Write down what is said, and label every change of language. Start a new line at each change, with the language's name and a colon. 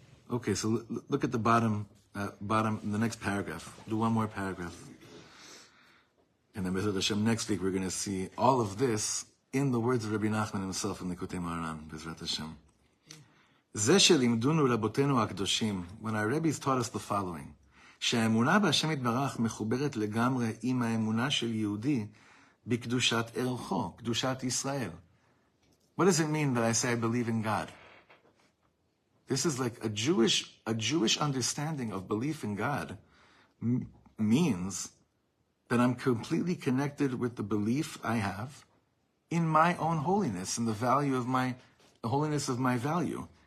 English: Okay, so look at the bottom, the next paragraph. Do one more paragraph. And then Bezrat Hashem, next week we're going to see all of this in the words of Rabbi Nachman himself in the Likutei Maharan, Bezrat Hashem.
Hebrew: זה שלימדונו רבותינו הקדושים,
English: when our rabbis taught us the following,
Hebrew: שהאמונה בהשם יתברך מחוברת לגמרי עם האמונה של יהודי בקדושת ערכו, קדושת ישראל.
English: What does it mean that I say I believe in God? This is like a Jewish understanding of belief in God means that I'm completely connected with the belief I have in my own holiness and the value of my value.